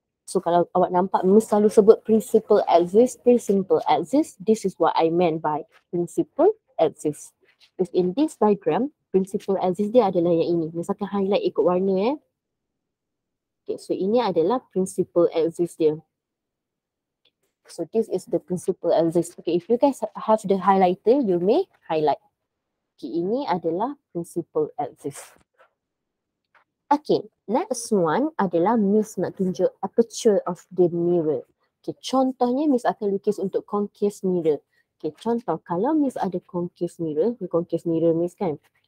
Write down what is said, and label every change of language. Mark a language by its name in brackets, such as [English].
[Malay] So kalau awak nampak mesti selalu sebut principle axis, principle axis, [English] this is what I meant by principle axis. If in this diagram, [Malay] principle axis dia adalah yang ini. Misalkan highlight ikut warna ya. Okay, so ini adalah principle axis dia. [English] So this is the principle axis. Okay, if you guys have the highlighter, you may highlight. [Malay] Okay, ini adalah principle axis. Okay, next one adalah Miss nak tunjuk [English] aperture of the mirror. Okay, contohnya Miss akan lukis untuk concave mirror. Okay, contoh kalau Miss ada concave mirror Miss kan.